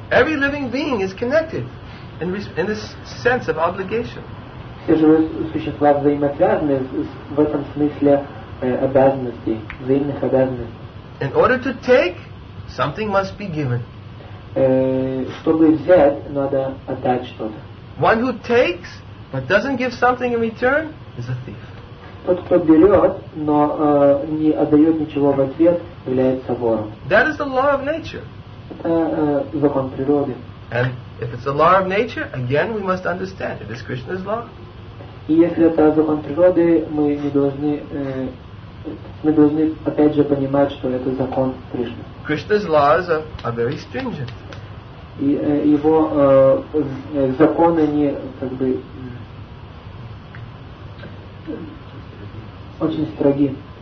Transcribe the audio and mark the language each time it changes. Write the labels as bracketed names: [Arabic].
[English] Every living being is connected in this sense of obligation. [Russian] Все живые существа взаимосвязаны в этом смысле обязанностей, взаимных обязанностей. [English] In order to take, something must be given. [Russian] Чтобы взять, надо отдать что-то. [English] One who takes but doesn't give something in return is a thief. [Russian] Тот, кто берет, но не отдает ничего в ответ, является вором. [English] That is the law of nature. [Russian] Это закон природы. [English] And if it's the law of nature, again we must understand it is Krishna's law. [Russian] И если это закон природы, мы не должны опять же понимать, что это закон Кришны. [English] Krishna's laws are very stringent. [Russian] И его законы не как бы очень строги.